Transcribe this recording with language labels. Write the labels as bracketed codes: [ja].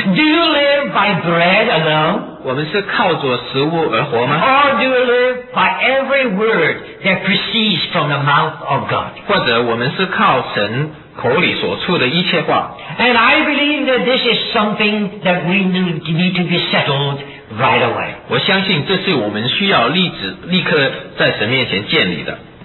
[en] Do you live by bread alone? [zh] 我们是靠着食物而活吗 [en] Or do you live by every word that proceeds from the mouth of God? [zh] 或者我们是靠神口里所出的一切话 [en] And I believe that this is something that we need to be settled right away. [zh] 我相信这是我们需要立刻在神面前建立的